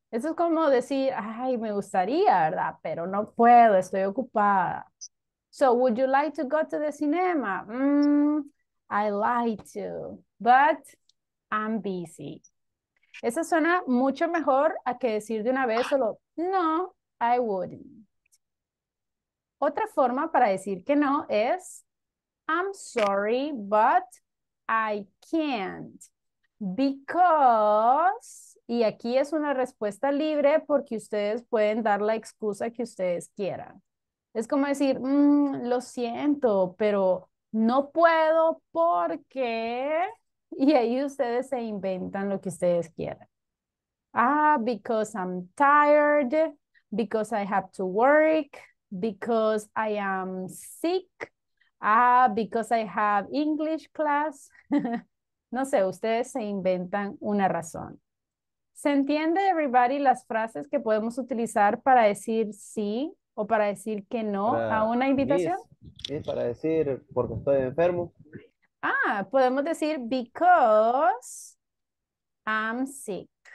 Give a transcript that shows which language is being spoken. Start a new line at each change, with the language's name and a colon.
Spanish: Eso es como decir, ay, me gustaría, ¿verdad? Pero no puedo, estoy ocupada.
English: So, would you like to go to the cinema? I like to, but I'm busy.
Spanish: Eso suena mucho mejor a que decir de una vez solo, no,
English: I wouldn't.
Spanish: Otra forma para decir que no es,
English: I'm sorry, but I can't.
Spanish: Because, y aquí es una respuesta libre porque ustedes pueden dar la excusa que ustedes quieran. Es como decir, lo siento, pero no puedo porque, y ahí ustedes se inventan lo que ustedes quieran.
English: Ah, because I'm tired, because I have to work, because I am sick, ah, because I have English class.
Spanish: No sé, ustedes se inventan una razón. ¿Se entiende, everybody, las frases que podemos utilizar para decir sí o para decir que no para a una invitación? Sí, para decir porque estoy enfermo. Ah, podemos decir
English: because I'm sick.